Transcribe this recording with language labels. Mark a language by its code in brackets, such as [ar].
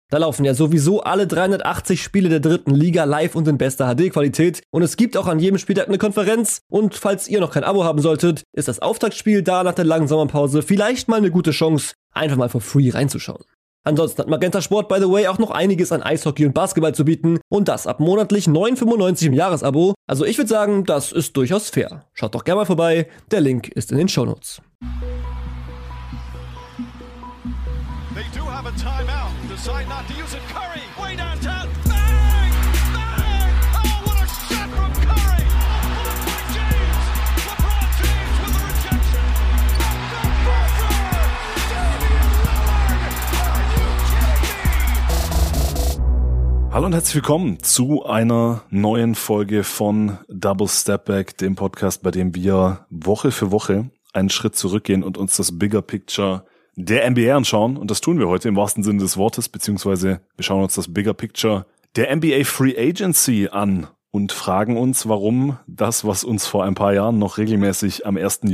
[de] Da laufen ja sowieso alle 380 Spiele der dritten Liga live und in bester HD-Qualität und es gibt auch an jedem Spieltag eine Konferenz und falls ihr noch kein Abo haben solltet, ist das Auftaktspiel da nach der langen Sommerpause vielleicht mal eine gute Chance, einfach mal [en] for free [de] reinzuschauen. Ansonsten hat Magenta Sport, [en] by the way, [de] auch noch einiges an Eishockey und Basketball zu bieten und das ab monatlich 9,95 im Jahresabo. Also ich würde sagen, das ist durchaus fair. Schaut doch gerne mal vorbei, der Link ist in den Shownotes. [en] They do have a timeout, decide not to use it, Curry, way downtown, bang, bang, oh what a shot from Curry, oh, what a point James, LeBron James with a rejection, and the buzzer, Damian Lillard, are you kidding me? [de] Hallo und herzlich willkommen zu einer neuen Folge von Double Step Back, dem Podcast, bei dem wir Woche für Woche einen Schritt zurückgehen und uns das Bigger Picture der NBA anschauen und das tun wir heute im wahrsten Sinne des Wortes, beziehungsweise wir schauen uns das Bigger Picture der NBA Free Agency an und fragen uns, warum das, was uns vor ein paar Jahren noch regelmäßig am 1.